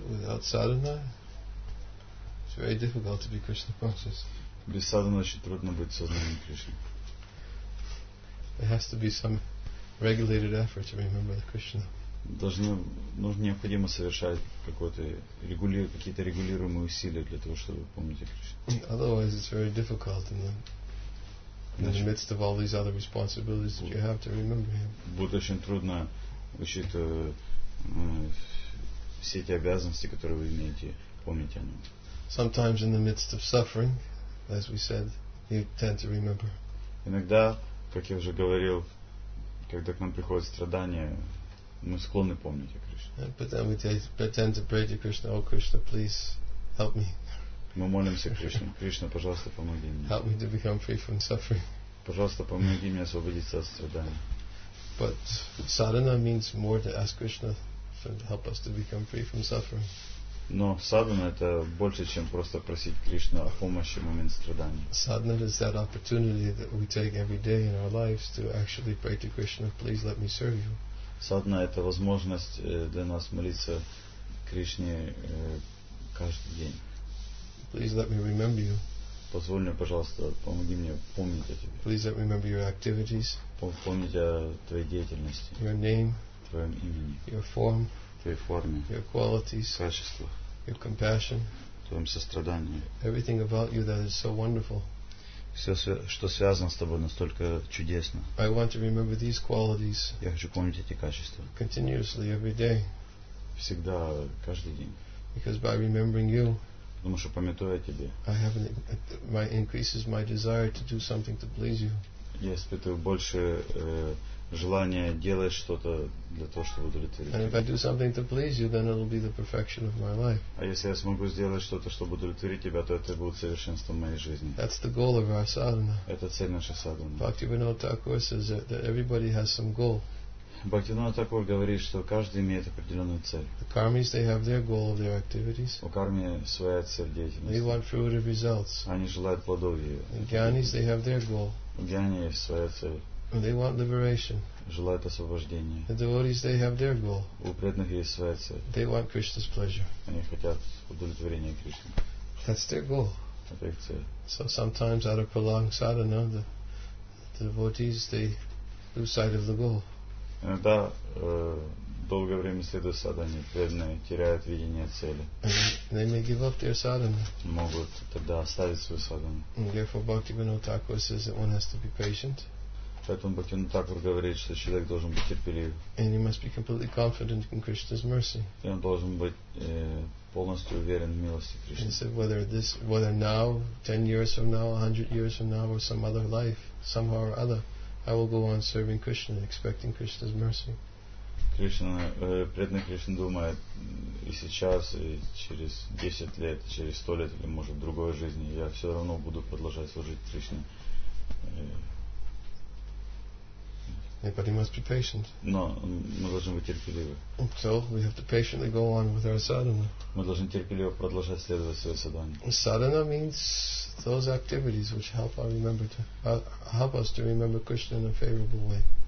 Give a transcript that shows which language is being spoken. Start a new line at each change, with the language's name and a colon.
English: Without sadhana, it's very difficult to be Krishna conscious.
Russian: Без sadhana очень трудно быть сознанием Кришны.
English: There has to be some regulated effort to remember the Krishna.
Russian: Необходимо совершать какие-то регулируемые усилия для того, чтобы помнить о Кришне.
English: Otherwise, it's very difficult in the midst of all these other responsibilities that you have to remember him.
Russian: Будет очень трудно учитывать все эти обязанности, которые вы имеете, помнить о нем.
English: Sometimes in the midst of suffering, as we said, you tend to remember.
Russian: Иногда, как я уже говорил, когда к нам приходят страдания, мы склонны помнить о Кришне.
English: But then we pretend to pray to Krishna, oh Krishna, please help me.
Russian: Мы молимся Кришне, Кришна, пожалуйста, помоги мне.
English: Help me to become free from suffering.
Russian: Пожалуйста, помоги мне освободиться от страданий.
English: But sadhana means more to ask Krishna to help us to become free from suffering.
Russian: Но sadhana это больше, чем просто просить Кришну о помощи в момент страданий.
English: Sadhana is that opportunity that we take every day in our lives to actually pray to Krishna, please let me serve you.
Russian: Садхана — это возможность для нас молиться Кришне каждый день.
English: Please let me remember you.
Russian: Позволь мне, пожалуйста, помоги мне помнить о тебе.
English: Please let me remember your activities.
Russian: Помнить о твоей деятельности.
English: Your name.
Russian: Твоем имени.
English: Your form.
Russian: Твоей форме.
English: Your qualities.
Russian: Качества.
English: Your compassion.
Russian: Твоем сострадании.
English: Everything about you that is so wonderful.
Russian: Все, что связано с тобой, настолько чудесно.
English: I want to remember these qualities.
Russian: Я хочу помнить эти качества.
English: Continuously, every day.
Russian: Всегда, каждый день.
English: Because by remembering you,
Russian: потому что памятуя о тебе,
English: I have increases my desire to do something to please you.
Russian: Я испытываю больше желания делать что-то для того, чтобы удовлетворить.
English: And if I do something to please you, then it'll be the perfection of my life.
Russian: А если я смогу сделать что-то, чтобы удовлетворить тебя, то это будет совершенством моей жизни.
English: That's the goal of our sadhana.
Russian: Это цель нашей садханы.
English: Bhaktivinoda Thakur says that everybody has some goal.
Russian: Бхактивинода Такур говорит, что каждый имеет определенную цель.
English: The karmis, they have their goal of their activities.
Russian: У карми своя цель деятельности.
English: They want fruitive results.
Russian: Они желают плодов ее.
English: The gyanis, they have their goal.
Russian: У гьяни есть своя цель.
English: They want liberation.
Russian: Желают освобождения.
English: The devotees, they have their goal.
Russian: У преданных есть своя цель.
English: They want Krishna's pleasure.
Russian: Они хотят удовлетворения Кришны.
English: That's their goal.
Russian: Это их цель.
English: So sometimes out of prolonged sadhana, the devotees, they lose sight of the goal.
Russian: Иногда долгое время следуя садхане, преданные теряют видение цели.
English: They may give up their sadhana.
Russian: Могут тогда оставить свою садхану.
English: Therefore, Bhaktivinoda Thakur says that one has to be patient.
Russian: Поэтому Бхактивинода Тхакур говорит, что человек должен быть терпелив.
English: And he must be completely confident in Krishna's mercy.
Russian: И он должен быть полностью уверен в милости Кришны.
English: He said whether this, whether now, 10 years from now, 100 years from now, or some other life, somehow or other, I will go on serving Krishna, expecting Krishna's mercy.
Russian: Кришна, преданный Кришна думает, и сейчас, и через 10 лет, через 100 лет, или может в другой жизни, я все равно буду продолжать служить Кришне.
English: Yeah, but he must be patient.
Russian: Но мы должны быть терпеливы.
English: So we have to patiently go on with our sadhana.
Russian: Мы должны терпеливо продолжать следовать своей садхане.
English: Sadhana means those activities which help us remember to help us to remember Krishna in a favorable way.